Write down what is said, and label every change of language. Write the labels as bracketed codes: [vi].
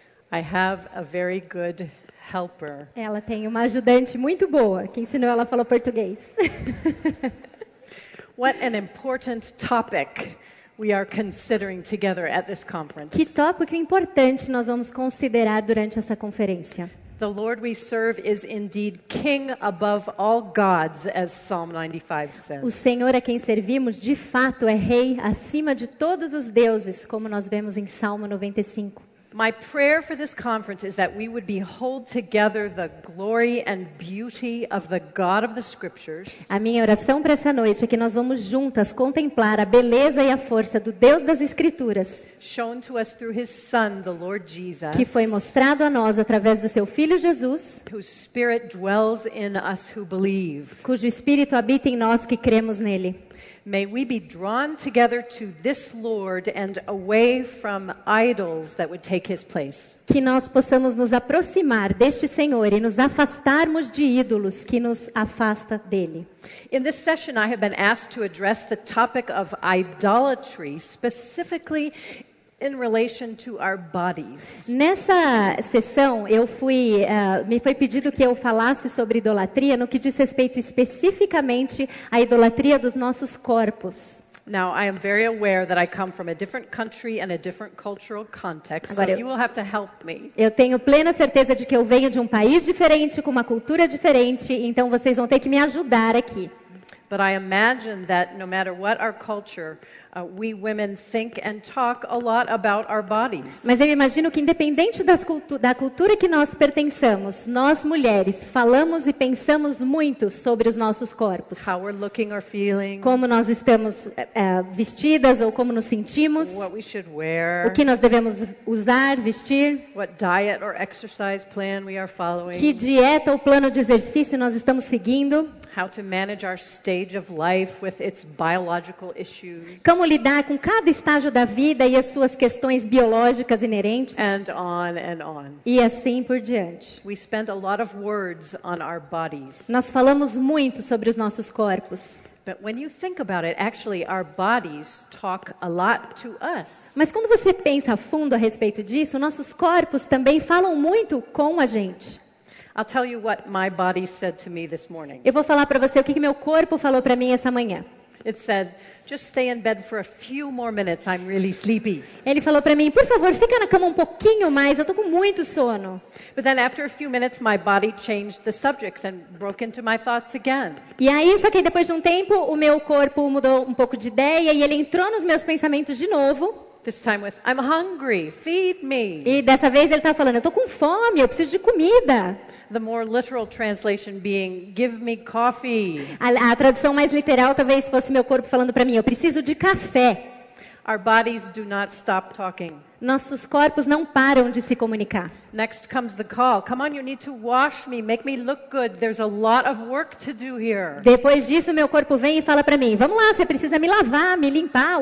[en] I have a very good helper. [pt] Ela tem uma ajudante muito boa que ensinou ela a falar português. [en] What an important topic we are considering together at this conference. [pt] Que tópico importante nós vamos considerar durante essa conferência. [en] The Lord we serve is indeed king above all gods, as Psalm 95 says. [pt] O Senhor a quem servimos de fato é rei acima de todos os deuses, como nós vemos em Salmo 95. [en] My prayer for this conference is that we would behold together the glory and beauty of the God of the Scriptures. [pt] A minha oração para essa noite é que nós vamos juntas contemplar a beleza e a força do Deus das Escrituras. [en] Shown to us through His Son, the Lord Jesus. [pt] Que foi mostrado a nós através do Seu Filho Jesus. [en] Whose Spirit dwells in us who believe. [pt] Cujo Espírito habita em nós que cremos nele. [en] May we be drawn together to this Lord and away from idols that would take his place. [pt] Que nós possamos nos aproximar deste Senhor e nos afastarmos de ídolos que nos afasta dele. [en] In this session I have been asked to address the topic of idolatry specifically in relation to our bodies. [pt] Nessa sessão me foi pedido que eu falasse sobre idolatria no que diz respeito especificamente à idolatria dos nossos corpos. [en] Now, I am very aware that I come from a different country and a different cultural context. [pt] Agora, [en] so you will have to help me. [pt] Eu tenho plena certeza de que eu venho de um país diferente com uma cultura diferente, então vocês vão ter que me ajudar aqui. [en] But I imagine that no matter what our culture, we women think and talk a lot about our bodies. [pt] Mas eu imagino que independente da cultura que nós pertençamos, nós mulheres falamos e pensamos muito sobre os nossos corpos. [en] How we're looking or feeling. [pt] Como nós estamos vestidas ou como nos sentimos. [en] What we should wear. [pt] O que nós devemos usar, vestir. [en] What diet or exercise plan we are following. [pt] Que dieta ou plano de exercício nós estamos seguindo. [en] How to manage our stage of life with its biological issues. [pt] Como lidar com cada estágio da vida e as suas questões biológicas inerentes. [en] And on and on. [pt] E assim por diante. [en] We spend a lot of words on our bodies. [pt] Nós falamos muito sobre os nossos corpos. [en] But when you think about it, actually our bodies talk a lot to us. [pt] Mas quando você pensa a fundo a respeito disso, nossos corpos também falam muito com a gente. [en] I'll tell you what my body said to me this morning. [pt] Eu vou falar para você o que meu corpo falou para mim essa manhã. [en] It said, just stay in bed for a few more minutes. I'm really sleepy. [pt] Ele falou para mim, por favor, fica na cama um pouquinho mais, eu tô com muito sono. [en] But then after a few minutes, my body changed the subject and broke into my thoughts again. [pt] E aí, só que depois de tempo, o meu corpo mudou um pouco de ideia e ele entrou nos meus pensamentos de novo. [en] This time with, I'm hungry. Feed me. [pt] E dessa vez ele tá falando, eu tô com fome, eu preciso de comida. [en] The more literal translation being, give me coffee. [pt] A tradução mais literal talvez fosse meu corpo falando para mim, eu preciso de café. [en] Our bodies do not stop talking. [pt] Nossos corpos não param de se comunicar. [en] Next comes the call. Come on, you need to wash me, make me look good. There's a lot of work to do here. [pt] Depois disso, meu corpo vem e fala para mim, vamos lá, você precisa me lavar, me limpar.